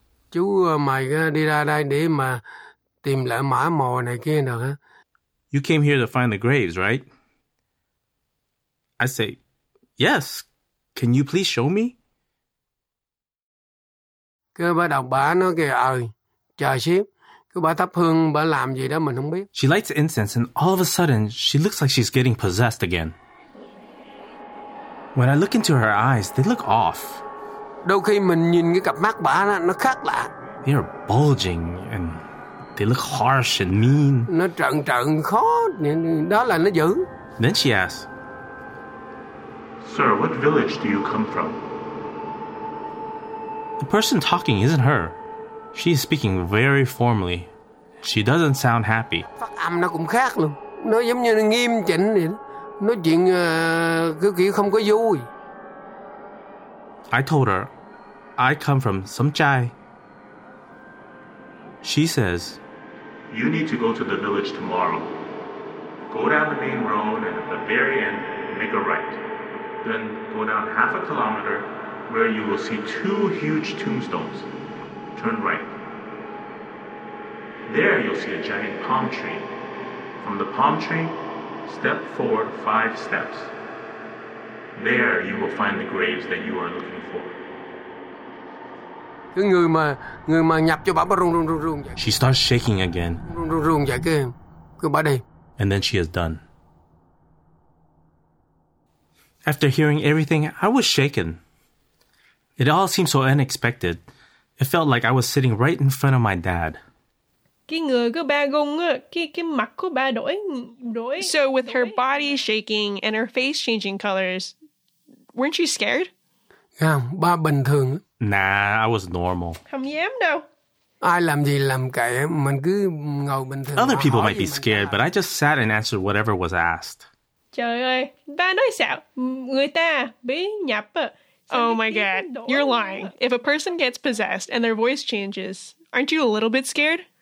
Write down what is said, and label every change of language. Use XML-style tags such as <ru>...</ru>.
<vi>"Chú mày đi ra đây để mà tìm lại mã mồ này kia được hả?"</vi> <en>"You came here to find the graves, right?" I say, "Yes. Can you please show me?"</en> <vi>Cứ bà đọc bà nói kìa, chờ xíu. Cứ bà thắp hương, bà làm gì đó mình không biết.</vi> <en>She lights the incense and all of a sudden, she looks like she's getting possessed again. When I look into her eyes, they look off.</en> <vi>Đôi khi mình nhìn cái cặp mắt bà đó, nó khác lạ.</vi> <en>They are bulging and they look harsh and mean.</en> <vi>Nó trợn trợn khó, đó là nó dữ.</vi> <en>Then she asks, "Sir, what village do you come from?" The person talking isn't her. She is speaking very formally. She doesn't sound happy.</en> <vi>Phát âm nó cũng khác luôn. Nó giống như nghiêm chỉnh vậy đó. Nói chuyện cái kiểu không có vui.</vi> <en>I told her, "I come from Sâm Chai." She says, "You need to go to the village tomorrow. Go down the main road and at the very end, make a right. Then go down half a kilometer where you will see two huge tombstones. Turn right. There you'll see a giant palm tree. From the palm tree, step forward 5 steps. There you will find the graves that you are looking for."</en> <vi>Cái người mà nhập cho bà run vậy.</vi> <en>She starts shaking again.</en> <vi>Run vậy cứ bà đi.</vi> <en>And then she is done. After hearing everything, I was shaken. It all seemed so unexpected. It felt like I was sitting right in front of my dad.</en> <vi>Cái người của bà run á, cái mặt của bà đổi.</vi> <en>So with her body shaking and her face changing colors, weren't you scared?</en> <vi>Yeah, bà bình thường.</vi> <en>Nah, I was normal.</en> <vi>Không dám đâu. Ai làm gì làm kệ, mình cứ ngồi bình thường.</vi> <en>Other people might be scared, but I just sat and answered whatever was asked.</en> <vi>Trời ơi, bà nói sao? Người ta bị nhập.</vi> <en>Oh my God, you're lying. If a person gets possessed and their voice changes, aren't you a little bit scared?</en>